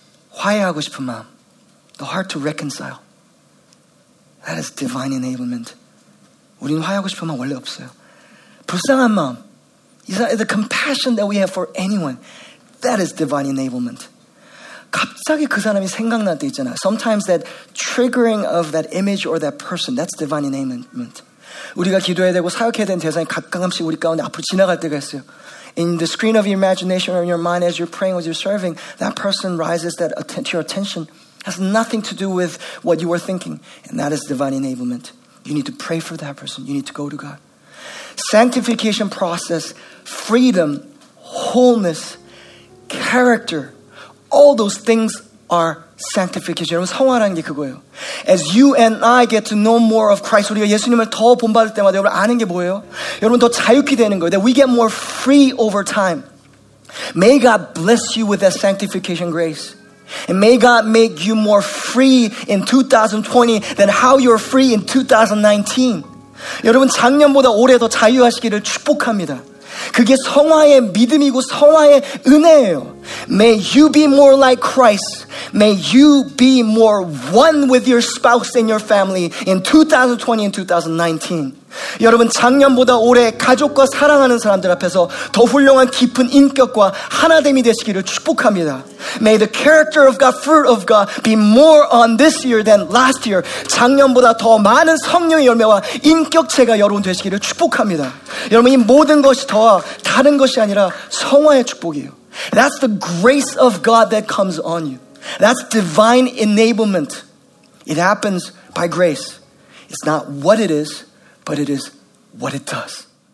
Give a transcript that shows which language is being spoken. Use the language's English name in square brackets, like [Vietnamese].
[Korean] 화해하고 싶은 마음. [English] The heart to reconcile. That is divine enablement. [Korean] 우리는 화해하고 싶은 마음 원래 없어요. 불쌍한 마음. [English] The compassion that we have for anyone. That is divine enablement. [Korean] 갑자기 그 사람이 생각날 때 있잖아. [English] Sometimes that triggering of that image or that person. That's divine enablement. [Korean] 우리가 기도해야 되고 사역해야 되는 대상이 가끔씩 우리 가운데 앞으로 지나갈 때가 있어요. [English] In the screen of your imagination or in your mind as you're praying or as you're serving, that person rises to your attention. Has nothing to do with what you were thinking. And that is divine enablement. You need to pray for that person. You need to go to God. Sanctification process, freedom, wholeness, character, all those things are sanctification. [Korean] 여러분, 성화라는 게 그거예요. [English] As you and I get to know more of Christ, [Korean] 우리가 예수님을 더 본받을 때마다 여러분 아는 게 뭐예요? 여러분, 더 자유케 되는 거예요. [English] That we get more free over time. May God bless you with that sanctification grace. And may God make you more free in 2020 than how you're free in 2019. [Korean] 여러분, 작년보다 올해 더 자유하시기를 축복합니다. 그게 성화의 믿음이고 성화의 은혜예요. [English] May you be more like Christ. May you be more one with your spouse and your family in 2020 and 2019. [Korean] 여러분, 작년보다 올해 가족과 사랑하는 사람들 앞에서 더 훌륭한 깊은 인격과 하나됨이 되시기를 축복합니다. [English] May the character of God, fruit of God be more on this year than last year. [Korean] 작년보다 더 많은 성령의 열매와 인격체가 여러분 되시기를 축복합니다. 여러분, 이 모든 것이 더 다른 것이 아니라 성화의 축복이에요. [English] That's the grace of God that comes on you. That's divine enablement. It happens by grace. It's not what it is, but it is what it does.